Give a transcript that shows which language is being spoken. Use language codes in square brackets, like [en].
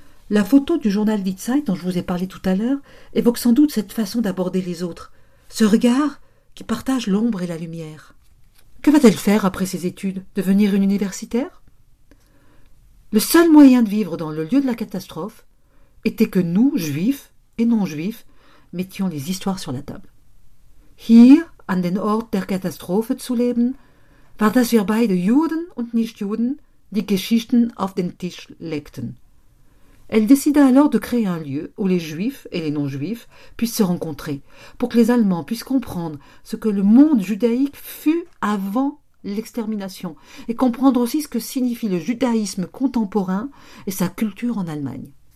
[fr] La photo du journal Die Zeit, dont je vous ai parlé tout à l'heure, évoque sans doute cette façon d'aborder les autres, ce regard qui partage l'ombre et la lumière. Que va-t-elle faire après ses études? Devenir une universitaire? Le seul moyen de vivre dans le lieu de la catastrophe était que nous, juifs et non-juifs, mettions les histoires sur la table. [de] Hier, an den Ort der Katastrophe zu leben, war das wir beide Juden und Nichtjuden die Geschichten auf den Tisch legten. [fr] Elle décida alors de créer un lieu où les juifs et les non-juifs puissent se rencontrer, pour que les Allemands puissent comprendre ce que le monde judaïque fut avant l'extermination, et comprendre aussi ce que signifie le judaïsme contemporain et sa culture en Allemagne.